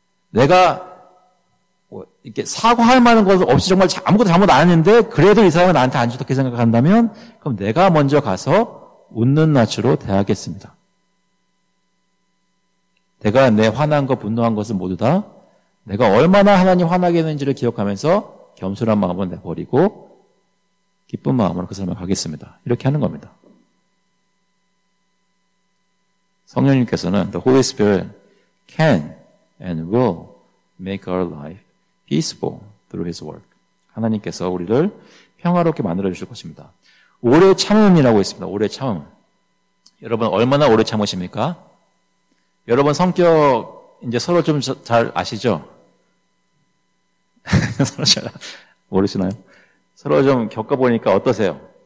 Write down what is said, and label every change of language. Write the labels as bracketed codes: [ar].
[ko] 내가 이렇게 사과할 만한 것 없이 정말 아무것도 잘못 안 했는데 그래도 이 사람은 나한테 안 좋게 생각한다면 그럼 내가 먼저 가서 웃는 낯으로 대하겠습니다. 내가 내 화난 것, 분노한 것은 모두 다 내가 얼마나 하나님 화나게 했는지를 기억하면서 겸손한 마음을 내버리고 기쁜 마음으로 그 사람을 가겠습니다. 이렇게 하는 겁니다. 성령님께서는 [en] The Holy Spirit can and will make our life peaceful through his work. [ko] 하나님께서 우리를 평화롭게 만들어 주실 것입니다. 오래 참음이라고 있습니다. 오래 참음. 여러분 얼마나 오래 참으십니까? 여러분 성격 이제 서로 좀 잘 아시죠? 서로 잘 모르시나요? 서로 좀 겪어 보니까 어떠세요?